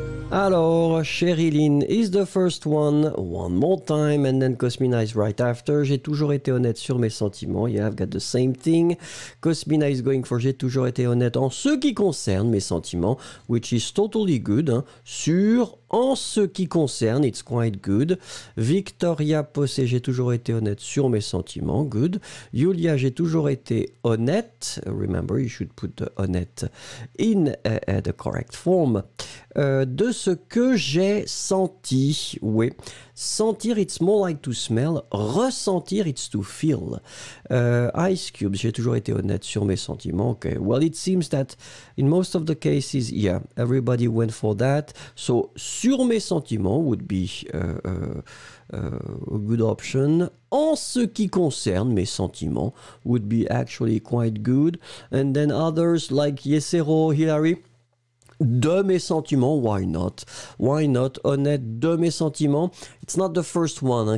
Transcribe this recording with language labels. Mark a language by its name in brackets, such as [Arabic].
[English] Alors, Cheryline is the first one more time, and then Cosmina is right after. [French] J'ai toujours été honnête sur mes sentiments. [English] Yeah, I've got the same thing. Cosmina is going for, [French] j'ai toujours été honnête en ce qui concerne mes sentiments, [English] which is totally good. [French] Hein. Sur, en ce qui concerne, [English] it's quite good. [French] Victoria Posse, j'ai toujours été honnête sur mes sentiments. [English] Good. [French] Julia, j'ai toujours été honnête. [English] Remember, you should put the honnête in the correct form. [French] De ce que j'ai senti, oui. [English] Sentir, it's more like to smell. Ressentir, it's to feel. [French] Ice Cube, j'ai toujours été honnête sur mes sentiments. [English] Okay. Well, it seems that in most of the cases, yeah, everybody went for that. So, [French] sur mes sentiments [English] would be a good option. [French] En ce qui concerne mes sentiments [English] would be actually quite good. And then others like Yesero, Hilary. [French] De mes sentiments, [English] why not, [French] honnête, de mes sentiments, [English] it's not the first one, hein.